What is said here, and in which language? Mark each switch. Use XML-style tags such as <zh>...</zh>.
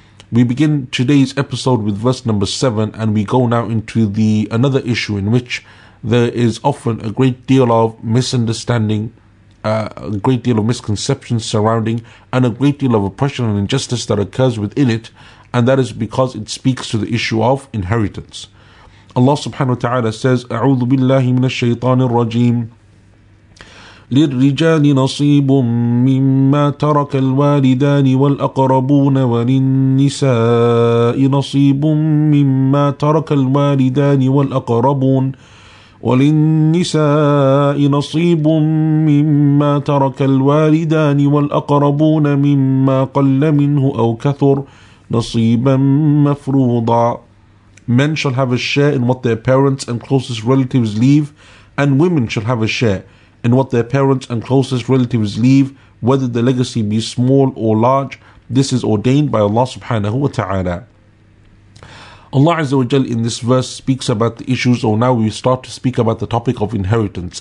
<en>We begin today's episode with verse number 7, and we go now into another issue in which there is often a great deal of misunderstanding, a great deal of misconceptions surrounding, and a great deal of oppression and injustice that occurs within it, and that is because it speaks to the issue of inheritance.</en> <ar>Allah subhanahu wa ta'ala says, أعوذ بالله من الشيطان الرجيم للرجال نصيب مما ترك الوالدان والأقربون وللنساء نصيب مما ترك الوالدان والأقربون وللنساء نصيب مما ترك الوالدان والأقربون مما قل منه أو كثر نصيبا مفروضا.</ar> <en>Men shall have a share in what their parents and closest relatives leave, and women shall have a share in what their parents and closest relatives leave, whether the legacy be small or large. This is ordained by Allah subhanahu wa ta'ala. Allah Azza wa Jal in this verse speaks about the issues, or now we start to speak about the topic of inheritance.</en>